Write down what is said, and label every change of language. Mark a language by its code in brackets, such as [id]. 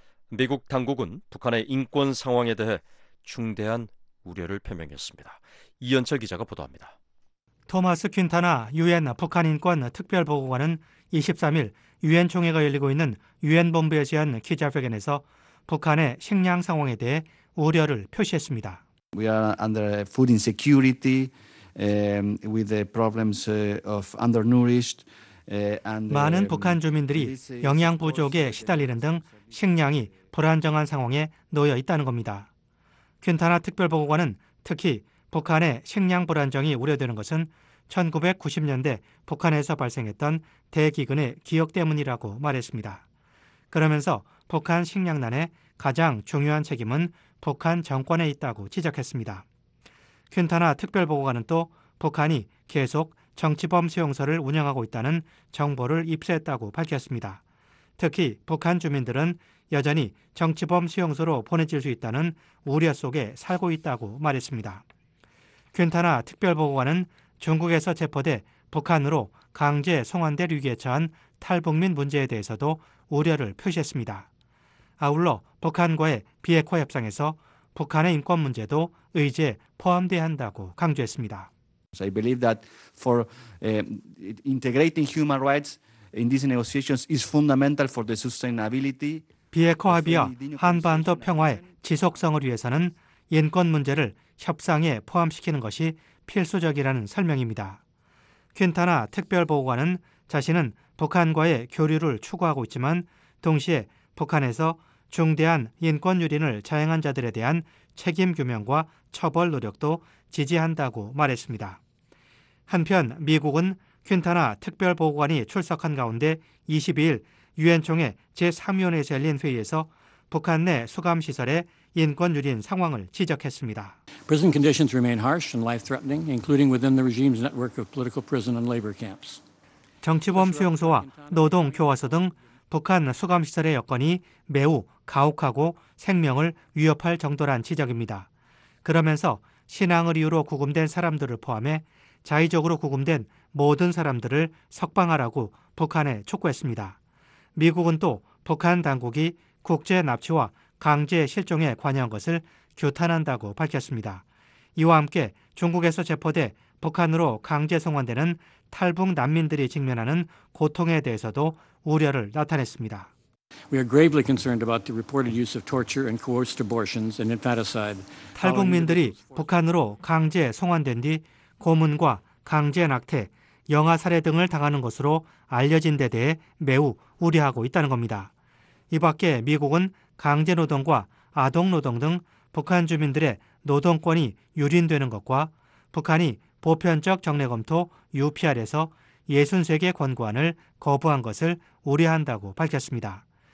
[ko] 미국 당국은 북한의 인권 상황에 대해 중대한 우려를 표명했습니다. 이현철 기자가 보도합니다. 토마스 퀸타나 유엔 북한인권특별보고관은 23일 유엔총회가 열리고 있는 유엔본부에 지한 기자회견에서 북한의 식량 상황에 대해 우려를 표시했습니다. [en] We are under food insecurity with the problems of undernourished. [ko] 많은 북한 주민들이 영양 부족에 시달리는 등 식량이 불안정한 상황에 놓여 있다는 겁니다. 퀸타나 특별보고관은 특히 북한의 식량 불안정이 우려되는 것은 1990년대 북한에서 발생했던 대기근의 기억 때문이라고 말했습니다. 그러면서 북한 식량난에 가장 중요한 책임은 북한 정권에 있다고 지적했습니다. 퀸타나 특별보고관은 또 북한이 계속 정치범 수용소를 운영하고 있다는 정보를 입수했다고 밝혔습니다. 특히 북한 주민들은 여전히 정치범 수용소로 보내질 수 있다는 우려 속에 살고 있다고 말했습니다. 퀸타나 특별보고관은 중국에서 체포돼 북한으로 강제 송환될 위기에 처한 탈북민 문제에 대해서도 우려를 표시했습니다. 아울러 북한과의 비핵화 협상에서 북한의 인권 문제도 의제에 포함돼야 한다고 강조했습니다. [en] So I believe that for integrating human rights in these negotiations is fundamental for the sustainability. [ko] 비핵화 합의와 한반도 평화의 지속성을 위해서는 인권 문제를 협상에 포함시키는 것이 필수적이라는 설명입니다. 퀸타나 특별보고관은 자신은 북한과의 교류를 추구하고 있지만 동시에 북한에서 중대한 인권 유린을 자행한 자들에 대한 책임 규명과 처벌 노력도 지지한다고 말했습니다. 한편 미국은 퀸타나 특별보고관이 출석한 가운데 22일 유엔총회 제3위원회에서 열린 회의에서 북한 내 수감시설의 인권 유린 상황을 지적했습니다. [en] Prison conditions remain harsh and life-threatening, including within the regime's network of political prison and labor camps. [ko] 정치범 수용소와 노동 교화소 등 북한 수감시설의 여건이 매우 가혹하고 생명을 위협할 정도란 지적입니다. 그러면서 신앙을 이유로 구금된 사람들을 포함해 자의적으로 구금된 모든 사람들을 석방하라고 북한에 촉구했습니다. 미국은 또 북한 당국이 국제 납치와 강제 실종에 관여한 것을 규탄한다고 밝혔습니다. 이와 함께 중국에서 체포돼 북한으로 강제 송환되는 탈북 난민들이 직면하는 고통에 대해서도 우려를 나타냈습니다. [en] We are gravely concerned about the reported use of torture and coerced abortions and infanticide. [ko] 탈북민들이 북한으로 강제 송환된 뒤 고문과 강제 낙태, 영아 살해 등을 당하는 것으로 알려진 데 대해 매우 우려하고 있다는 겁니다. 이 밖에 미국은 강제 노동과 아동 노동 등 북한 주민들의 노동권이 유린되는 것과 북한이 보편적 정례 검토 UPR에서 63개 권고안을 거부한 것을 우려한다고 밝혔습니다.